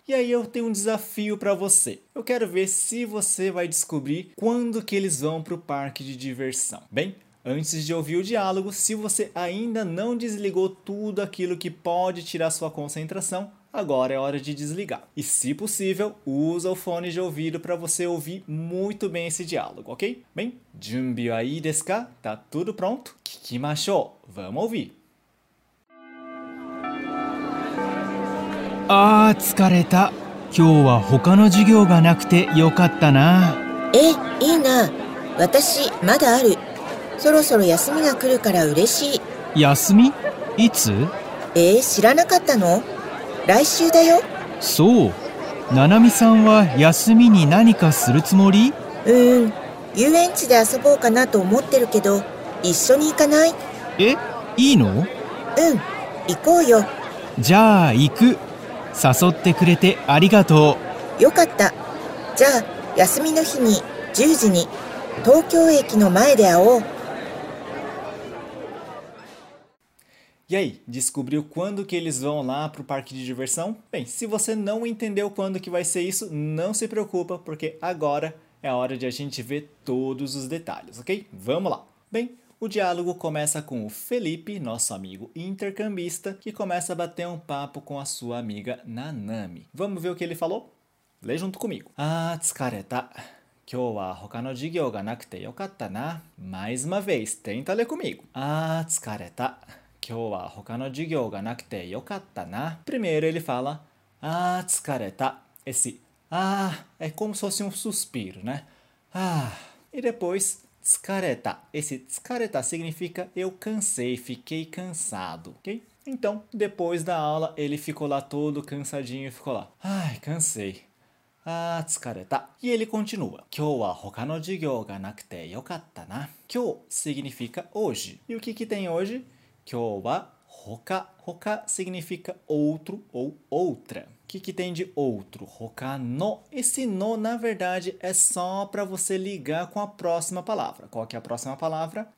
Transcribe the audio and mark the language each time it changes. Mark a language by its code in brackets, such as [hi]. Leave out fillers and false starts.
[pt] E aí, eu tenho um desafio para você. Eu quero ver se você vai descobrir quando que eles vão para o parque de diversão. Bem, antes de ouvir o diálogo, se você ainda não desligou tudo aquilo que pode tirar sua concentração, agora é hora de desligar. E se possível, usa o fone de ouvido para você ouvir muito bem esse diálogo, ok? [ja] Bem, 準備はいいですか? [pt] Tá tudo pronto? [ja] 聞きましょう! [pt] Vamos ouvir! [ja] Ah, 疲れた! 今日は他の授業がなくてよかったな。え、いいな。私、まだある。そろそろ休みが来るから嬉しい。休み?いつ? 知らなかったの?来週だよ。そう。七海さんは休みに何かするつもり? 遊園地で遊ぼうかなと思ってるけど、一緒に行かない? え、いいの? 行こうよ。じゃあ行く。誘ってくれてありがとう。よかった。じゃあ休みの日に10時に東京駅の前で会おう。 [pt] E aí, descobriu quando que eles vão lá para o parque de diversão? Bem, se você não entendeu quando que vai ser isso, não se preocupa, porque agora é a hora de a gente ver todos os detalhes, ok? Vamos lá! Bem, o diálogo começa com o Felipe, nosso amigo intercambista, que começa a bater um papo com a sua amiga Nanami. Vamos ver o que ele falou? Lê junto comigo. [ja] Ah, 疲れた。今日は他の授業がなくてよかったな。 [pt] Mais uma vez, tenta ler comigo. [ja] Ah, 疲れた。今日は他の授業がなくてよかったな。 [pt] Primeiro ele fala, [ja] ah, 疲れた。 [pt] Esse, ah, é como se fosse suspiro, né? Ah. E depois, 疲れた. Esse 疲れた significa eu cansei, fiquei cansado, ok? Então, depois da aula, ele ficou lá todo cansadinho e ficou lá, ai, cansei. Ah, 疲れた.E ele continua. [ja] 今日は他の授業がなくてよかったな. [pt] 今日 significa hoje. E o que que tem hoje? [ja] 今日は他. [pt] 他 significa outro ou outra. O que que tem de outro? [ja] 他の. [pt] Esse no, na verdade, é só para você ligar com a próxima palavra. Qual que é a próxima palavra?